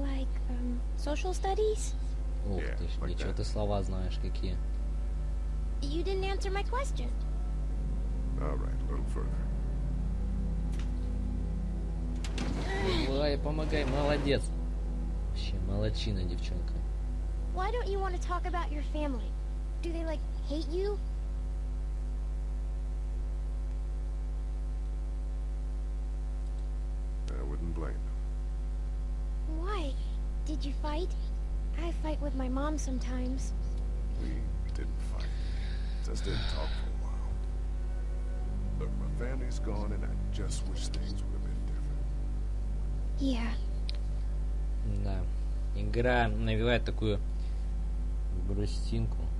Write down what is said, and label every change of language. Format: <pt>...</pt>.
<en>Like, social studies?</en> <ru>Ух ты, ничего ты слова знаешь какие.</ru> <en>You didn't answer my question. All right, a little further.</en> <ru>Давай, помогай, молодец. Вообще, молодчина, девчонка.</ru> <en>Why don't you want to talk about your family? Do they, like, hate you? I wouldn't blame them. Why? Did you fight? I fight with my mom sometimes. We didn't fight. Just didn't talk for a while. Look, my family's gone and I just wish things would have been different. Yeah.</en> <ru>Да. Игра навевает такую грустинку.</ru>